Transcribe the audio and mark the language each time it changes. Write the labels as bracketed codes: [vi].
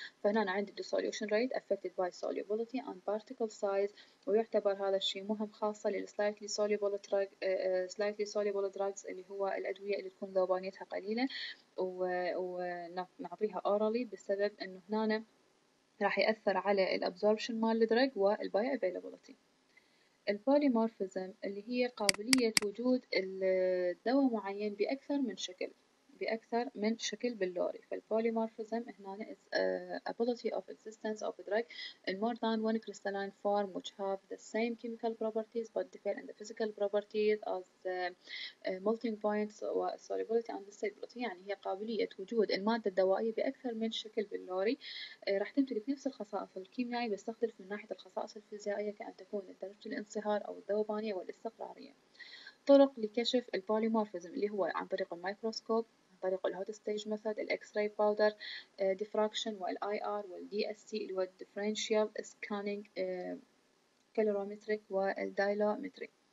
[ar] فهنا أنا عندي الديسوليوشن ريت افكتد باي سوليبولتي اند بارتيكل سايز، ويعتبر هذا الشيء مهم خاصة للسلايتلي سوليبول دراج، سلايتلي سوليبول دراجز اللي هو الأدوية اللي تكون ذوبانيتها قليلة ونعطيها اورالي، بسبب انه هنا راح يأثر على الابزوربشن مال الدرج والبيابيليبولتي. البوليمورفيزم اللي هي قابلية وجود الدواء معين بأكثر من شكل، بأكثر من شكل بلوري. فالبوليمورفيزم هنا [en] is ability of existence of a drug in more than one crystalline form which have the same chemical properties but differ in the physical properties as the melting points و solubility and stability. [ar] يعني هي قابلية وجود المادة الدوائية بأكثر من شكل بلوري، راح تمتلك نفس الخصائص الكيميائية بس تختلف من ناحية الخصائص الفيزيائية، كأن تكون درجة الانصهار أو الذوبانية والاستقرارية. طرق لكشف البوليمورفيزم اللي هو عن طريق الميكروسكوب، عن طريق الهوت ستيج ميثود، الاكس راي باودر ديفراكشن، والاي ار والدي اس سي اللي هو الديفرنشال سكانينج كالوريمتريك والدايلوميتريك.